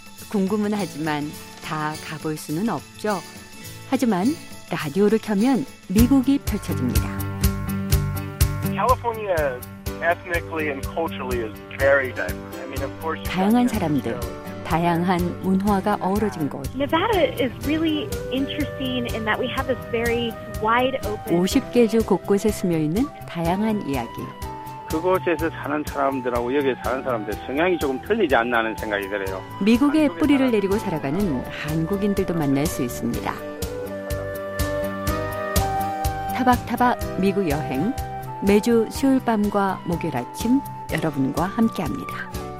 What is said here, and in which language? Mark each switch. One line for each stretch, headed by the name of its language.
Korean: 궁금은 하지만 다 가볼 수는 없죠. 하지만 라디오를 켜면 미국이 펼쳐집니다.
English: California ethnically and culturally is very diverse. I mean, of course,
Korean: 다양한 사람들, 다양한 문화가 어우러진 곳.
English: Nevada is really interesting in that we have this very wide open.
Korean: 50개 주 곳곳에 숨어 있는 다양한 이야기. 그곳에서 사는 사람들하고 여기 사는 사람들 성향이 조금 틀리지 않나 하는 생각이 들어요. 미국의 뿌리를 내리고 살아가는 한국인들도 만날 수 있습니다. 타박타박 미국 여행, 매주 수요일 밤과 목요일 아침 여러분과 함께합니다.